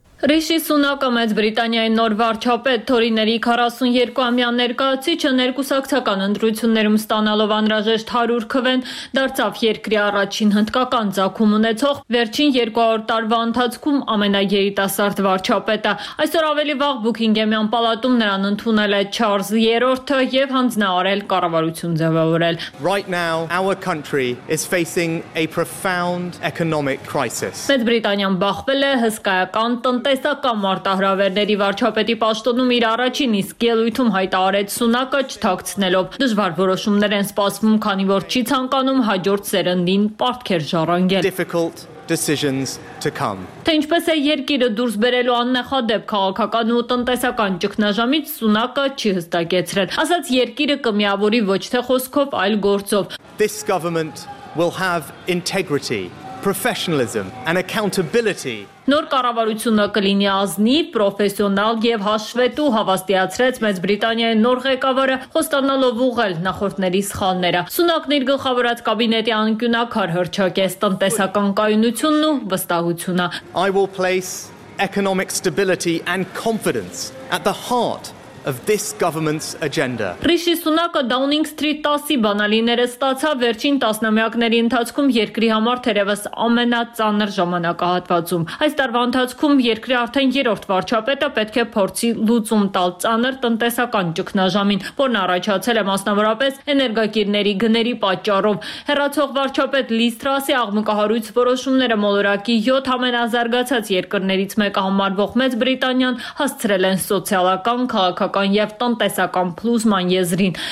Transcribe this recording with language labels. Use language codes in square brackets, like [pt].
[hy] Ռիշի Սունակը Մեծ Բրիտանիայի նոր վարչապետ, Թորիների 42-ամյա ներկայացիչը ներկուսակցական ընտրություններում ստանալով անհրաժեշտ 100 քվեն, դարձավ երկրի առաջին հնդկական ծագում ունեցող վերջին 200 տարվա ընթացքում ամենաերիտասարդ վարչապետը։ Այսօր ավելի վաղ Բուքինգհեմյան պալատում նրան ընդունել է Չարլզ 3-ը և հանձնարարել կառավարություն ձևավորել։ [en] Right now our country is facing a profound economic crisis. [hy] Մեծ Բրիտանիան բախվել է հսկայական տնտեսական մարտահրավերների վարչապետի պաշտոնում իր առաջին իսկ ելույթում հայտարարեց Սունակը չթաքցնելով։ Դժվար որոշումներ են սպասվում, քանի որ չի ցանկանում հաջորդ սերնդին պարտքեր ժառանգել։ [en] Decisions to come. [hy] Թե ինչպես է երկիրը դուրս բերելու աննախադեպ քաղաքական ու տնտեսական ճգնաժամից Սունակը չի հստակեցրել։ Ասաց, երկիրը կմիավորի ոչ թե խոսքով, այլ գործով։ [en] This government will have integrity, professionalism and accountability. [hy] Նոր կառավարությունը կլինի ազնիվ, պրոֆեսիոնալ եւ հաշվետու, հավաստիացրեց Մեծ Բրիտանիայի նոր ղեկավարը, խոստանալով ուղղել նախորդների սխալները։ Սունակն իր գլխավորած կաբինետի անկյունակար հրճակեց տնտեսական կայունությունն ու վստահությունը։ [en] I will place economic stability and confidence at the heart of this government's agenda. [hy] Rishi Sunak-ը Downing Street 10-ի բանալիները ստացավ վերջին տասնամյակների ընթացքում երկրի համար թերևս ամենածանր ժամանակահատվածում։ Այս տարվա ընթացքում երկրի արդեն 3-րդ վարչապետը պետք է փորձի լուծում տալ ծանր տնտեսական ճգնաժամին, որն առաջացել է մասնավորապես էներգակիրների գների պատճառով։ Հերացող վարչապետ Liz Truss-ի աղմուկահարույց որոշումները մոլորակի 7 ամենազարգացած երկրներից մեկը համարվող Մեծ Բրիտանիան հասցրել են սոցիալական քաղաք քական եւ տնտեսական փլուզման եզրին։